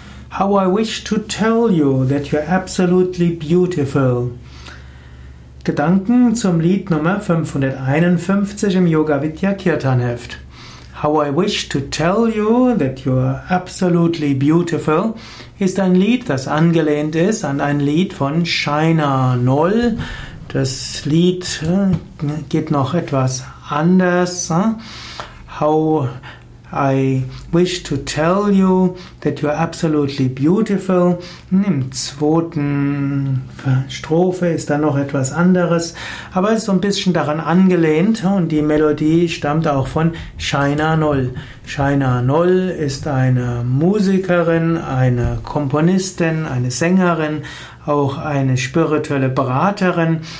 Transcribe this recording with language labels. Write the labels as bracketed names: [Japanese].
[English] How I wish to tell you that you're absolutely beautiful. [German] Gedanken zum Lied Nummer 551 im Yoga Vidya Kirtan Heft. [English] How I wish to tell you that you're absolutely beautiful [German] ist ein Lied, das angelehnt ist an ein Lied von China Noll. Das Lied geht noch etwas anders. [English] How I wish to tell you that you are absolutely beautiful. [German] Im zweiten Strophe ist da noch etwas anderes, aber es ist so ein bisschen daran angelehnt und die Melodie stammt auch von China Noll. China Noll ist eine Musikerin, eine Komponistin, eine Sängerin, auch eine spirituelle Beraterin.